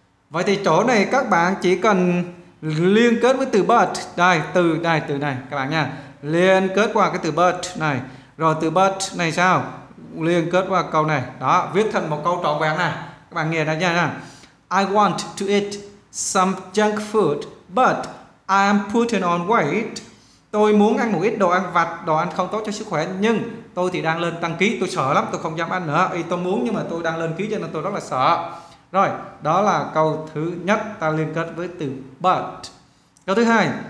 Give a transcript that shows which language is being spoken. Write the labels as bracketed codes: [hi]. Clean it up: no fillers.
[vi] Vậy thì chỗ này các bạn chỉ cần liên kết với từ but. Đây, từ này, từ này các bạn nha. Liên kết qua cái từ but này. Rồi từ but này sao? Liên kết qua câu này. Đó, viết thành một câu trọn vẹn này. Các bạn nghe ra nha. [en] I want to eat some junk food, but I'm putting on weight. [vi] Tôi muốn ăn một ít đồ ăn vặt, đồ ăn không tốt cho sức khỏe, nhưng tôi thì đang lên tăng ký, tôi sợ lắm, tôi không dám ăn nữa. Ý tôi muốn nhưng mà tôi đang lên ký cho nên tôi rất là sợ. Rồi, đó là câu thứ nhất ta liên kết với từ but. Câu thứ hai.